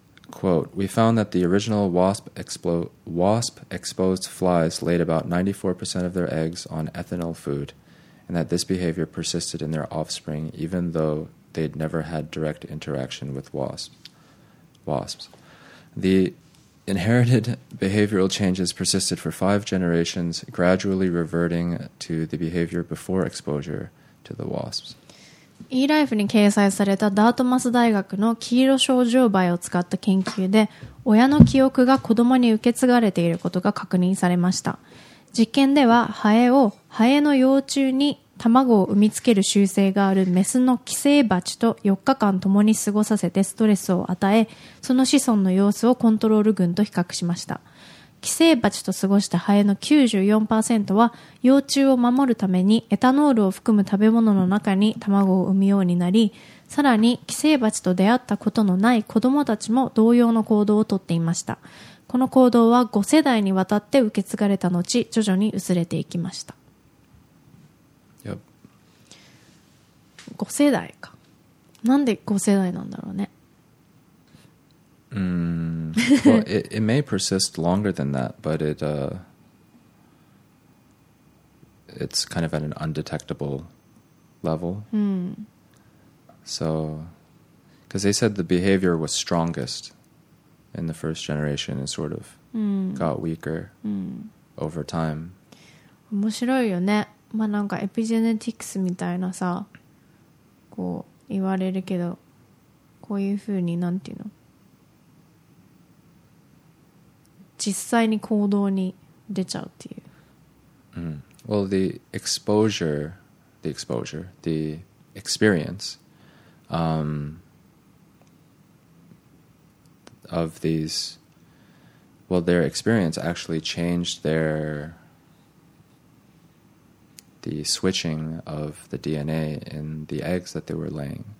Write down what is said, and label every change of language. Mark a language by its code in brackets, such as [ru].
[en] Quote, we found that the original wasp-exposed flies laid about 94% of their eggs on ethanol food, and that this behavior persisted in their offspring even though they'd never had direct interaction with wasps. The inherited behavioral changes persisted for 5 generations, gradually reverting to the behavior before exposure to the wasps. [ja] eLife に掲載されたダートマス大学の黄色症状バイを使った研究で、親の記憶が子供に受け継がれていることが確認されました。実験ではハエの幼虫に卵を産みつける習性があるメスの寄生バチと4日間共に過ごさせてストレスを与え、その子孫の様子をコントロール群と比較しました。寄生バチと過ごしたハエの 94% は幼虫を守るためにエタノールを含む食べ物の中に卵を産むようになり、さらに寄生バチと出会ったことのない子どもたちも同様の行動をとっていました。この行動は5世代にわたって受け継がれた後徐々に薄れていきました。 5世代か。なんで5世代なんだろうね。 [en] Well, it may persist longer than that, but it's kind of at an undetectable level. So, because they said the behavior was strongest in the first generation and sort of got weaker over time. [ja] 面白いよね。まあなんかエピジェネティクスみたいなさ。こう言われるけど、こういうふうになんていうの、実際に行動に出ちゃうっていう。 [en] Well, the exposure, the experience, of these, well, their experience actually changed the switching of the DNA in the eggs that they were laying.